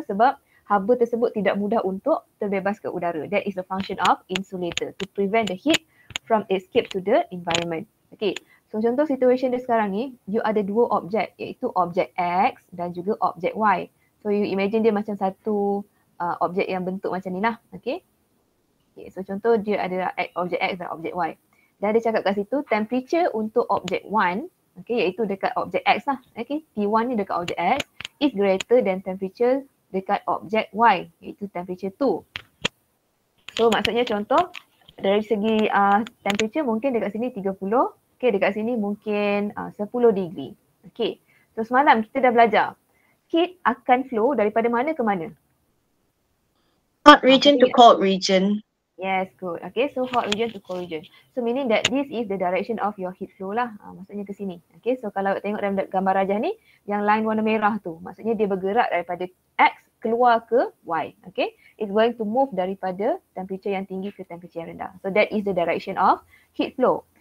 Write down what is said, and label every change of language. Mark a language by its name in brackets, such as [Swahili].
[Malay] Sebab haba tersebut tidak mudah untuk terbebas ke udara. [English] That is the function of insulator, to prevent the heat from escape to the environment. [Malay] Okay, so contoh situation dia sekarang ni, you ada dua objek, iaitu objek X dan juga objek Y. [English] So you imagine [Malay] dia macam satu objek yang bentuk macam ni lah. Okay, so contoh dia ada objek X dan objek Y. Dan dia cakap kat situ temperature untuk objek 1 okay, iaitu dekat objek X lah. Okay, T1 ni dekat objek X [English] is greater than temperature [Malay] dekat objek Y, iaitu temperature 2. So maksudnya contoh dari segi temperature mungkin dekat sini 30, okay, dekat sini mungkin 10 degree. Okay, so semalam kita dah belajar heat akan flow daripada mana ke mana? [English] Hot region to cold region. Yes, good. Okay, so hot region to cold region. So meaning that this is the direction of your heat flow lah. [Malay] Maksudnya ke sini. Okay, so kalau tengok dalam gambar rajah ni, yang line warna merah tu, maksudnya dia bergerak daripada X keluar ke Y. [English] Okay, it's going to move [Malay] daripada temperature yang tinggi ke temperature yang rendah. [English] So that is the direction of heat flow.